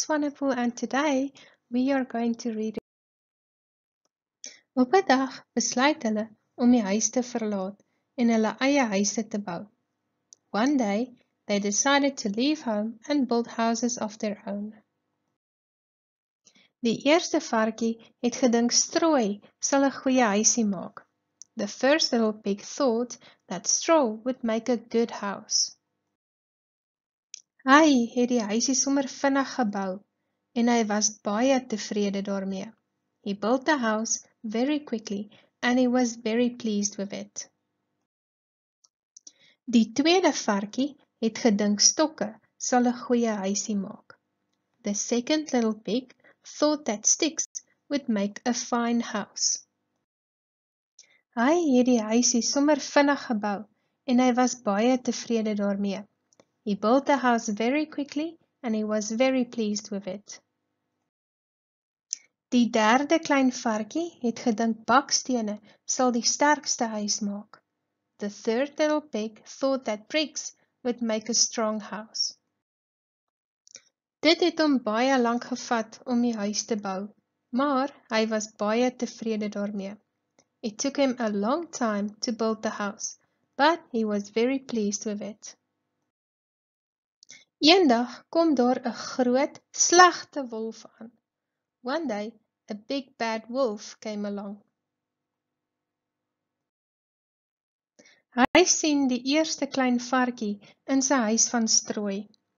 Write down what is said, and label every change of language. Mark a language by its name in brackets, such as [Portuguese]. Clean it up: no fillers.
[English] Swanepoel, and today we are going to read. [Afrikaans] Op 'n dag besluit hulle om die huis te verlaat en hulle eie huise te bou. [English] One day they decided to leave home and build houses of their own. [Afrikaans] Die eerste varkie het gedink strooi sal 'n goeie huisie maak. [English] The first little pig thought that straw would make a good house. [Afrikaans] Hy het die huisie sommer vinnig gebou en hy was baie tevrede daarmee. [English] He built the house very quickly and he was very pleased with it. [Afrikaans] Die tweede varkie het gedink stokke sal 'n goeie huisie maak. [English] The second little pig thought that sticks would make a fine house. [Afrikaans] Hy het die huisie sommer vinnig gebou en hy was baie tevrede daarmee. [English] He built the house very quickly and he was very pleased with it. [Afrikaans] Die derde klein varkie het gedink bakstene sal die sterkste huis maak. [English] The third little pig thought that bricks would make a strong house. [Afrikaans] Dit het hom baie lank gevat om die huis te bou, maar hy was baie tevrede daarmee. [English] It took him a long time to build the house, but he was very pleased with it. [Afrikaans] Eendag kom daar 'n groot, slegte wolf aan. [English] One day, a big bad wolf came along. [Afrikaans] Hy sien die eerste klein varkie in sy huis van strooi.